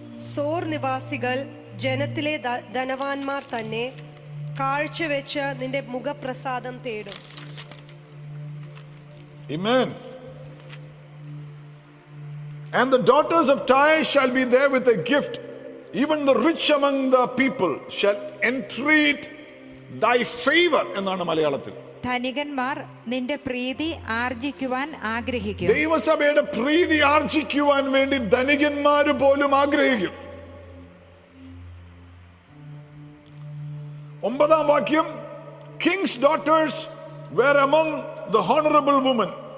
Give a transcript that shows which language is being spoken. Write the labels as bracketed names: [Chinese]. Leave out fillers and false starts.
[Malayalam] സോർ നിവാസികൾ ജനത്തിലെ ധനവാന്മാർ തന്നെ കാഴ്ചവെച്ച് നിന്റെ മുഖപ്രസാദം തേടും. [English] Amen. And the daughters of Tyre shall be there with a gift. Even the rich among the people shall entreat thy favor. [Malayalam] എന്നാണ് മലയാളത്തിൽ. ധനികന്മാർ നിന്റെ പ്രീതി ആർജിക്കുവാൻ ആഗ്രഹിക്കും. ദൈവസഭയുടെ പ്രീതി ആർജിക്കുവാൻ വേണ്ടി ധനികന്മാർ പോലും ആഗ്രഹിക്കും. 9-ാം വാക്യം. [English] King's daughters were among the honorable women.